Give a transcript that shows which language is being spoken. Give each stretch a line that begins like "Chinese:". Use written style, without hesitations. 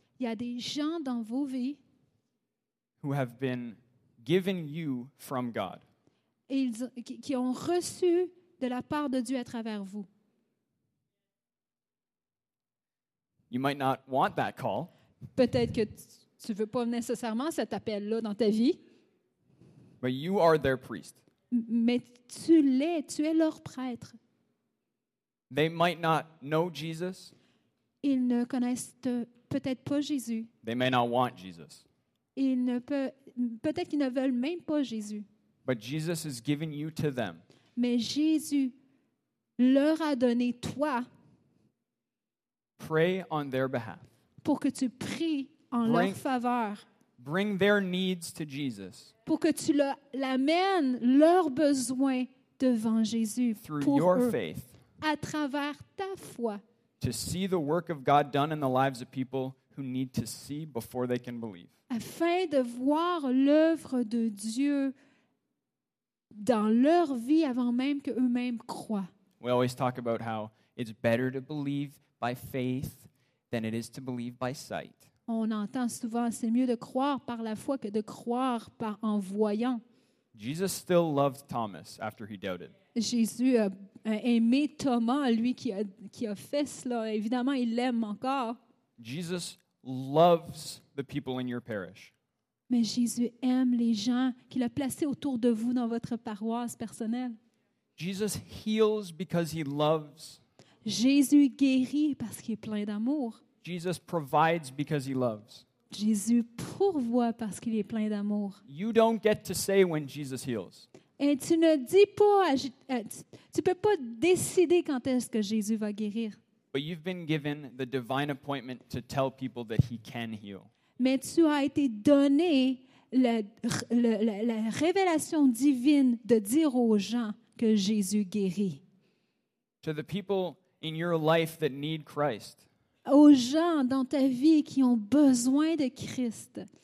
French: Il y a des gens dans vos vies
English: who have been given you from God.
French: Ils qui ont reçu de la part de Dieu à travers vous.
English: You might not want that call.
French: Peut-être que tu veux pas nécessairement cet appel là dans ta vie.
English: But you are their priest.
French: Mais tu es leur prêtre.
English: They might not know Jesus.
French: Ils ne connaissent peut-être pas Jésus.
English: They may not want Jesus.
French: Peut-être qu'ils ne veulent même pas Jésus.
English: But Jesus has given you to them.
French: Mais Jésus leur a donné toi.
English: Pray on their behalf.
French: Pour que tu pries en leur faveur.
English: Bring their needs to Jesus.
French: Pour que tu l'amènes leurs besoins devant Jésus.
English: Through
French: pour
English: your
French: eux.
English: Faith.
French: À travers ta foi.
English: To see the work of God done in the lives of people who need to see before they can believe.
French: Afin de voir l'œuvre de Dieu dans leur vie avant même qu'eux-mêmes croient.
English: We always talk about how it's better to believe by faith than it is to believe by sight.
French: On entend souvent c'est mieux de croire par la foi que de croire par en voyant.
English: Jesus still loved Thomas after he doubted.
French: Jésus a aimé Thomas, lui qui a fait cela. Évidemment, il l'aime encore.
English: Jesus loves the people in your parish.
French: Mais Jésus aime les gens qu'il a placés autour de vous dans votre paroisse personnelle.
English: Jesus heals because he loves.
French: Jésus guérit parce qu'il est plein d'amour.
English: Jesus provides because he loves.
French: Jésus pourvoit parce qu'il est plein d'amour.
English: You don't get to say when Jesus heals.
French: Et tu ne dis pas, tu peux pas décider quand est-ce que Jésus va guérir.
English: But you've been given the divine appointment to tell people that he can heal.
French: Mais tu as été donné la révélation divine de dire aux gens que Jésus guérit.
English: To the people in your life that need Christ.
French: Aux gens dans ta vie qui ont besoin de Christ.